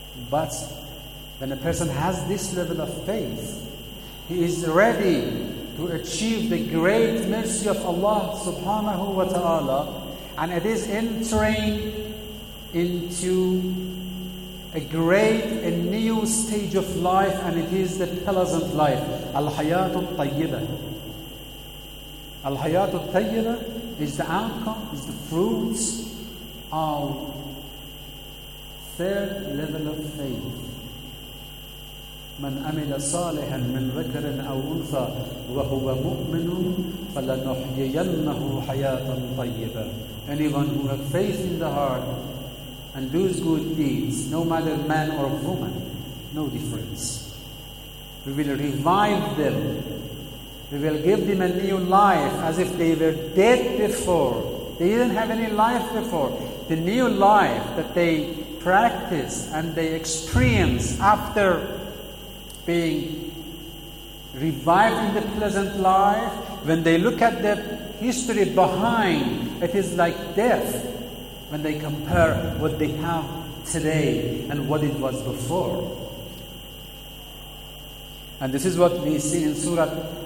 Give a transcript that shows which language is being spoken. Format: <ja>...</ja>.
<en>But when a person has this level of faith, he is ready to achieve the great mercy of Allah subhanahu wa ta'ala, and it is entering into a great, a new stage of life, and it is the pleasant life. Al-hayatu al-tayyibah. Al-hayatu al-tayyibah is the outcome, is the fruits of third level of faith.</en> <ar>من عمل صالحا من ذكر أو أنثى وهو مؤمن فلنحيينه حياة طيبة.</ar> <en>Anyone who has faith in the heart and does good deeds, no matter man or woman, no difference, we will revive them. We will give them a new life as if they were dead before. They didn't have any life before. The new life that they practice and they experience after being revived in the pleasant life, when they look at the history behind, it is like death when they compare what they have today and what it was before. And this is what we see in Surah</en>